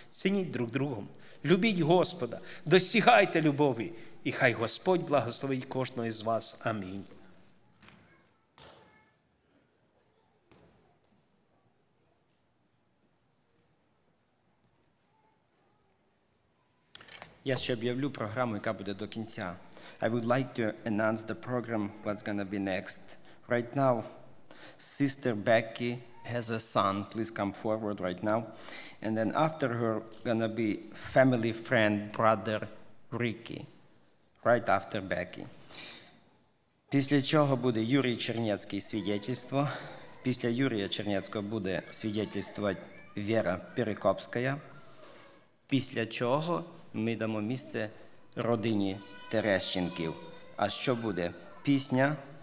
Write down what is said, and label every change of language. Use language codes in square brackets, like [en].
[uk] Цініть друг другом, любіть Господа, досягайте любові, і хай Господь благословить кожного з вас. Амінь. Я ще об'явлю програму, яка буде до кінця. [en] I would like to announce the program, what's going to be next. Right now, sister Becky has a son, please come forward right now. And then after her, gonna be family friend, brother Ricky, right after Becky. [uk] Після чого буде Юрій Чернецький свідетельство. Після Юрія Чернецького буде свідетельствувати Вера Перекопська. Після чого ми дамо місце родині Терещенків. А що буде? Пісня.